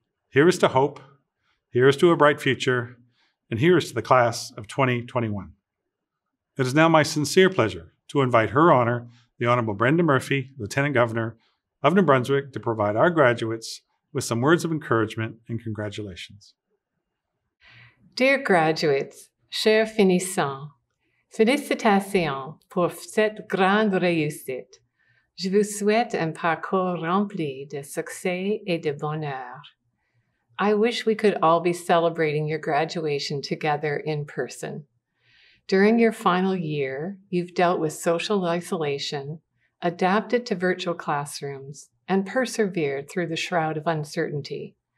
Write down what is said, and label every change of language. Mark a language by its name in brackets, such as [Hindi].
[English] Here is to hope, here is to a bright future, and here is to the class of 2021. It is now my sincere pleasure to invite Her Honor, the Honorable Brenda Murphy, Lieutenant Governor of New Brunswick, to provide our graduates with some words of encouragement and congratulations. Dear graduates, [French] chers finissants, félicitations pour cette grande réussite. Je vous souhaite un parcours rempli de succès et de bonheur. [English] I wish we could all be celebrating your graduation together in person. During your final year, you've dealt with social isolation, adapted to virtual classrooms, and persevered through the shroud of uncertainty.